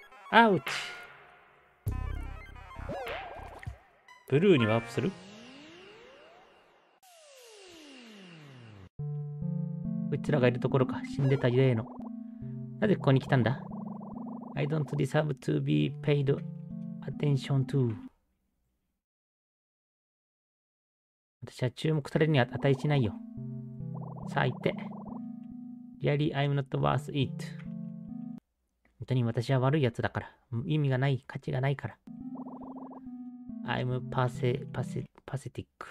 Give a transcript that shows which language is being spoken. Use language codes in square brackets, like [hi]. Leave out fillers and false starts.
[ja] アウチ。ブルーにワープする？こいつらがいるところか。死んでた例の。なぜここに来たんだ？ [en] I don't deserve to be paid attention to。 [ja] 私は注目されるに値しないよ。最低。 [en] Really, I'm not worth it. [ja] 本当に私は悪いやつだから。意味がない、価値がないから。 [en] I'm pathetic.